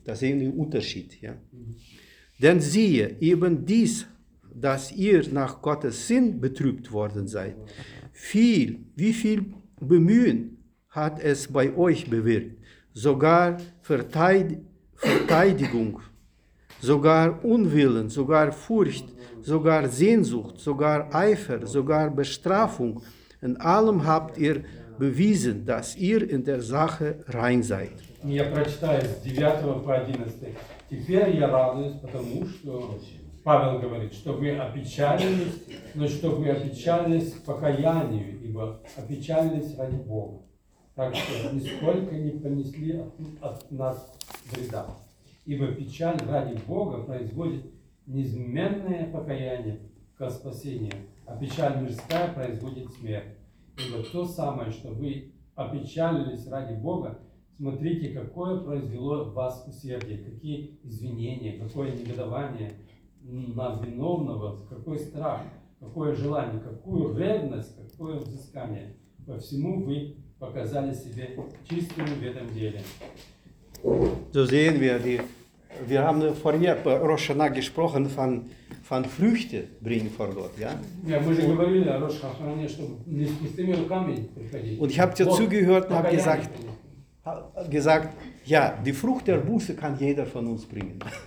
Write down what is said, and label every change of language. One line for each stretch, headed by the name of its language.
German: Das ist ein Unterschied, ja. Denn siehe, eben dies, dass ihr nach Gottes Sinn betrübt worden seid, wie viel Bemühen hat es bei euch bewirkt, sogar Verteidigung, sogar Unwillen, sogar Furcht, sogar Sehnsucht, sogar Eifer, sogar Bestrafung. In allem habt ihr bewiesen, dass ihr in der Sache rein seid.
Russian: Я прочитаю с 9 по 11. Теперь я радуюсь, потому что Павел говорит, что вы опечалились, но что вы опечалились покаянию, ибо опечалились ради Бога. Так что нисколько не понесли от нас вреда. Ибо печаль ради Бога производит неизменное покаяние ко спасению, а печаль мирская производит смерть. Ибо то самое, что вы опечалились ради Бога, смотрите, какое произвело в вас усердие, какие извинения, какое негодование на виновного, какой страх, какое желание, какую ревность, какое взыскание. По всему вы показали себе чистыми в этом деле.
German: So sehen wir, wir haben vorhin ja bei Rosh Hashanah gesprochen von Früchte bringen vor Gott. Ja? Ja, wir haben über Rosh Hashanah gesprochen, dass nicht mit den Kamen kommen. Und ich habe dir zugehört und habe gesagt, ja, die Frucht der Buße kann jeder von uns bringen.